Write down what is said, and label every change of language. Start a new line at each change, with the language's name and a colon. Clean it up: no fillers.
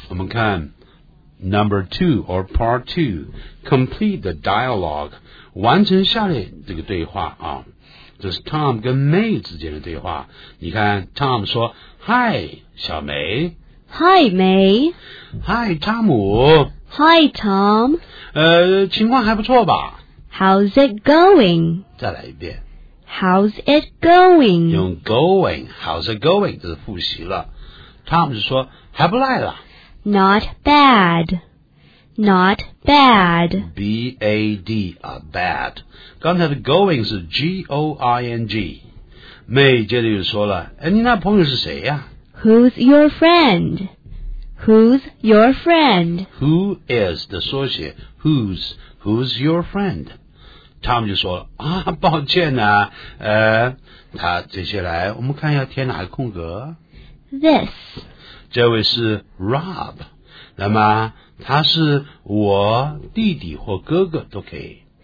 Chinese: 我们看
English: number two or part two. Complete the dialogue.
Chinese: 完成下列这个对话啊。这是 Tom 跟 May 之间的对话。你看 Tom 说 Hi, 小梅。
English: Hi, May.
Chinese: Hi, 汤姆。
English: Hi, Tom.
Chinese: 情况还不错吧。
English: How's it going?
Chinese: 再来一遍。
English: How's it going?
Chinese: 用 going,
English: how's it going?
Chinese: 这是复习了。Tom 就说还不赖了
English: Not bad Not bad
Chinese: B-A-D、bad 刚才的 going 是 G-O-I-N-G May 接着又说了哎，你那朋友是谁呀
English: Who's your friend Who's your friend
Chinese: Who is 的缩写
English: Who's Who's your friend
Chinese: Tom 就说啊，抱歉啊他接下来我们看要填哪个空格
English: This.
Chinese: 这位是 Rob. 那么他是我弟弟或哥哥都可以。